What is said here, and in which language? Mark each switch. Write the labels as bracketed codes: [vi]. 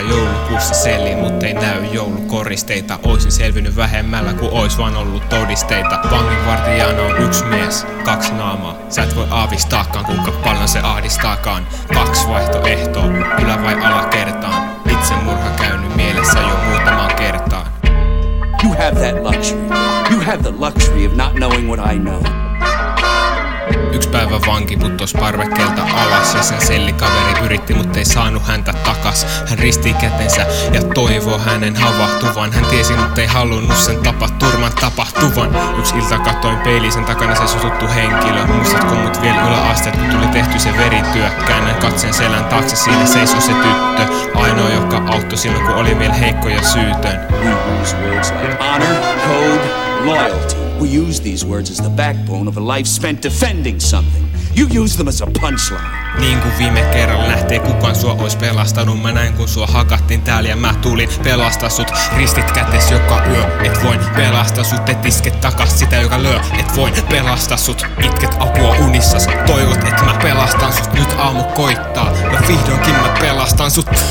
[fi] Joulukuussa selin, mut ei näy joulukoristeita. Oisin selvinnyt vähemmällä, kun ois vaan ollut todisteita. Vanginvartijana on yksi mies, kaksi naamaa. Sä et voi aavistaakaan, kuinka paljon se ahdistaakaan. Kaksi vaihtoehtoa, ylä- vai alakertaan. Itsemurha käynyt mielessä jo muutamaan kertaan. [en] You have that luxury. You have the luxury of not knowing what I know. [fi] Yksi päivä vanki putos parvekkeelta alas, ja sen sellikaveri yritti, muttei saanut häntä takas. Hän risti kätensä ja toivoo hänen havahtuvan. Hän tiesi, muttei halunnut sen tapaturman tapahtuvan. Yksi ilta katsoin peiliin, sen takana se sututtu henkilö. Muistatko mut vielä yläasteet, kun tuli tehty se verityö? Käännän katsen selän taakse, siinä seisoo se tyttö. Ainoa, joka auttoi silloin, kun oli vielä heikko ja syytön. [en] We use words like honor, code, loyalty. We use these words as the backbone of a life spent defending something. You use them as a punchline. [fi] Niin kuin viime kerralla lähtee, kukaan sua ois pelastanut. Mä näin, kun sua hakattiin täällä ja mä tulin pelastaa sut. Ristit kätes joka yö, et voin pelastaa sut. Et isket takas sitä, joka lyö, et voin pelastaa sut. Itket apua unissas, toivot, et mä pelastan sut. Nyt aamu koittaa, ja vihdoinkin mä pelastan sut.